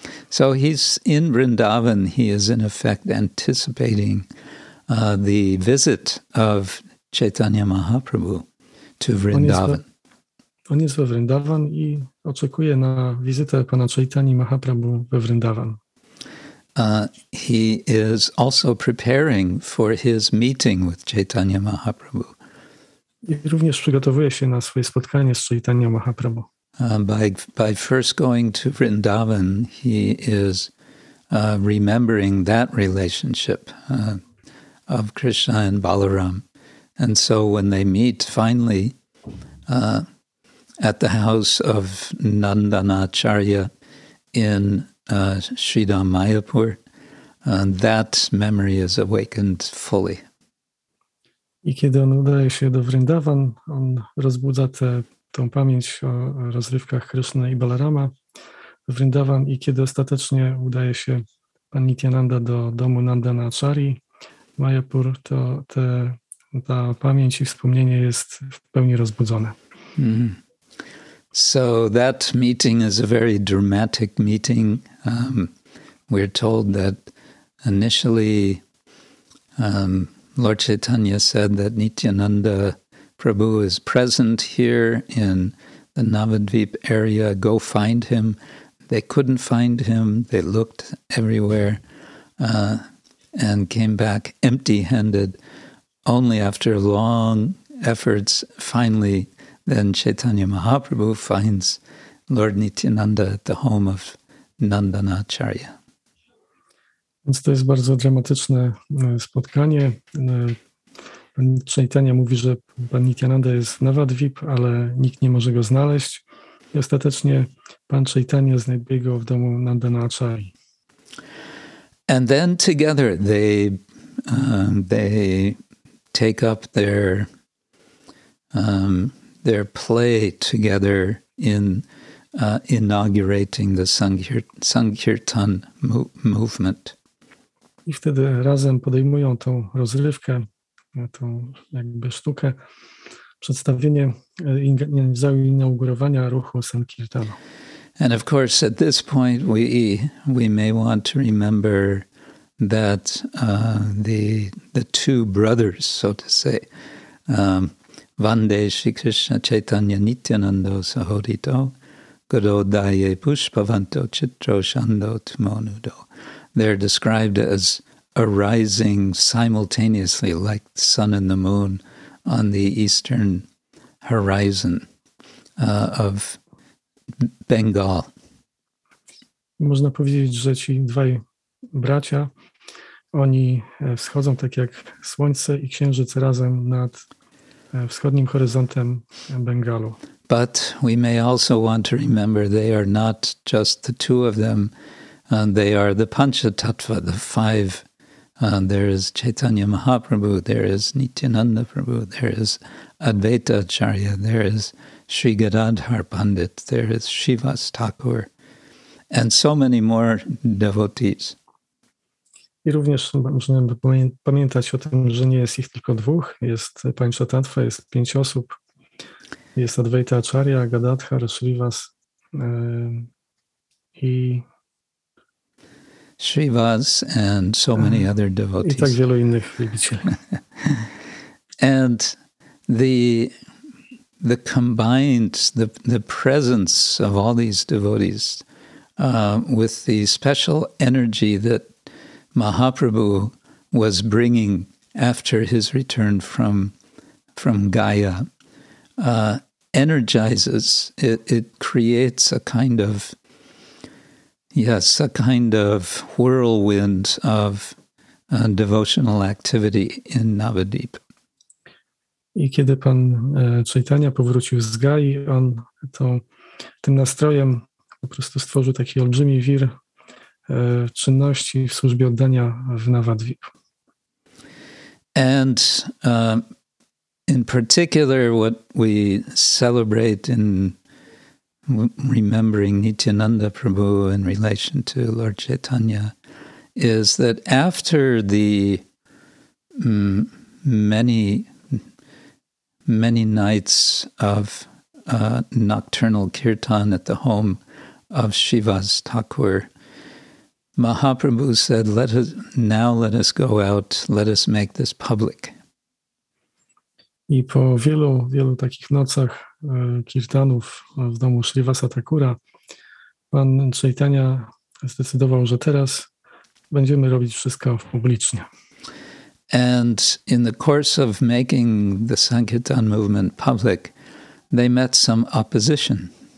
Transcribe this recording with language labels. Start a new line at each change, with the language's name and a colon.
English: So he's in Vrindavan, he is in effect anticipating the visit of Chaitanya Mahaprabhu to Vrindavan.
Polish: On jest we Vrindavan i oczekuje na wizytę Pana Chaitanya Mahaprabhu we Vrindavan.
English: He is also preparing for his meeting with Chaitanya Mahaprabhu.
Polish: I również przygotowuje się na swoje spotkanie z Chaitanya Mahaprabhu.
English: By first going to Vrindavan, he is remembering that relationship of Krishna and Balaram. And so when they meet finally at the house of Nandanacharya in Sridhar Mayapur, that memory is awakened fully.
Polish: I kiedy on udaje się do Vrindavan, on rozbudza tą pamięć o rozrywkach Kryszny i Balarama w Vrindavan. I kiedy ostatecznie udaje się pan Nityananda do domu Nandanachari Mayapur, to ta pamięć i wspomnienie jest w pełni rozbudzone. Mm-hmm.
English: So that meeting is a very dramatic meeting. We're told that initially Lord Chaitanya said that Nityananda Prabhu is present here in the Navadvip area. Go find him. They couldn't find him. They looked everywhere and came back empty-handed. Only after long efforts, finally, then Chaitanya Mahaprabhu finds Lord Nityananda at the home of Nandanacharya.
Polish: Więc to jest bardzo dramatyczne spotkanie. Pan Chaitanya mówi, że pan Nityananda jest w Navadvip, ale nikt nie może go znaleźć. I ostatecznie pan Chaitanya znajduje go w domu Nandanachari.
English: And then together they take up their play together in inaugurating the Sankirtan movement.
Polish: I wtedy razem podejmują tą rozrywkę, tą jakby sztukę, przedstawienie inaugurowania ruchu Sankirtana.
English: And of course, at this point, we may want to remember that the two brothers, so to say,
Sanskrit: Vande Shri Krishna Chaitanya Nityananda Sahodito, Godo Daye Pushpavanto Chitro Shando Tumonudo.
English: They're described as arising simultaneously like the sun and the moon on the eastern horizon of Bengal.
Polish: Można powiedzieć, że ci dwaj bracia, oni wschodzą tak jak słońce i księżyc razem nad wschodnim horyzontem Bengalu.
English: But we may also want to remember they are not just the two of them, and they are the Panchatattva, the five. There is Chaitanya Mahaprabhu, there is Nityananda Prabhu, there is Advaita Acharya, there is Sri Gadadhar Pandit, there is Shivas Thakur, and so many more devotees.
Polish: I również możemy pamiętać o tym, że nie jest ich tylko dwóch. Jest Panchatattva, jest pięć osób. Jest Advaita Acharya, Gadadhar, Shrivas i
English: Shrivas and so many other devotees.
Polish: I tak wielu innych wielbicieli.
English: And the combined, the presence of all these devotees with the special energy that Mahaprabhu was bringing after his return from Gaya, energizes, it creates a kind of, yes, a kind of whirlwind of devotional activity in Navadvip.
Polish: I kiedy pan Chaitanya powrócił z Gai, on tym nastrojem po prostu stworzył taki olbrzymi wir czynności w służbie oddania w Navadvip.
English: And in particular, what we celebrate in remembering Nityananda Prabhu in relation to Lord Chaitanya is that after the many nights of nocturnal kirtan at the home of Shivas Thakur, Mahaprabhu said, let us go out, let us make this public.
Polish: I po wielu, wielu takich nocach kirtanów w domu Shrivasa Thakura, pan Chaitanya zdecydował, że teraz będziemy robić wszystko publicznie.
English: And in the course of making the Sankirtan movement public, they met some opposition.